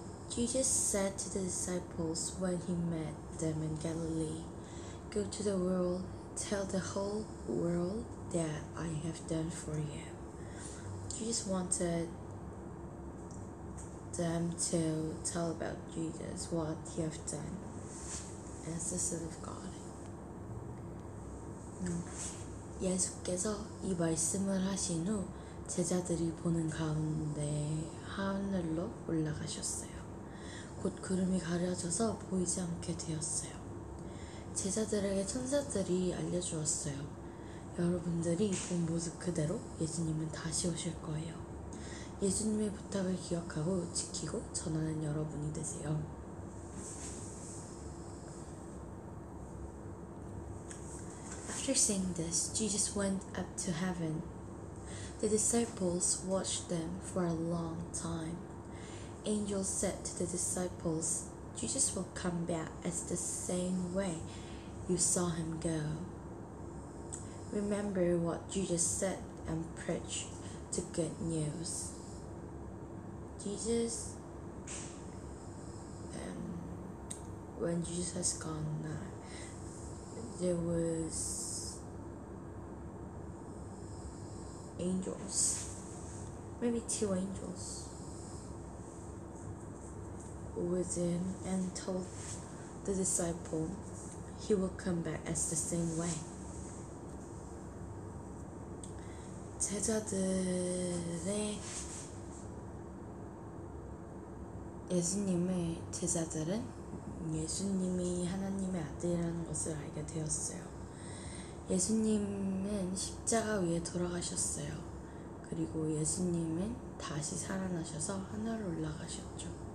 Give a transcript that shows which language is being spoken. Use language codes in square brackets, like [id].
[en] Jesus said to the disciples when he met them in Galilee, "Go to the world, tell the whole world that I have done for you." Jesus wanted them to tell about Jesus, what he has done as the Son of God. [ko] 예수께서 이 말씀을 하신 후 제자들이 보는 가운데 하늘로 올라가셨어요. 곧 구름이 가려져서 보이지 않게 되었어요. 제자들에게 천사들이 알려주었어요. 여러분들이 본 모습 그대로 예수님은 다시 오실 거예요. 예수님의 부탁을 기억하고 지키고 전하는 여러분이 되세요. [en] After saying this, Jesus went up to heaven. The disciples watched them for a long time. Angels said to the disciples, "Jesus will come back as the same way you saw him go." Remember what Jesus said and preached the good news. Jesus, when Jesus has gone, there was angels, maybe two angels, with him and told the disciple he will come back as the same way. [ko] 제자들의 예수님의 제자들은 예수님이 하나님의 아들이라는 것을 알게 되었어요. 예수님은 십자가 위에 돌아가셨어요. 그리고 예수님은 다시 살아나셔서 하늘로 올라가셨죠.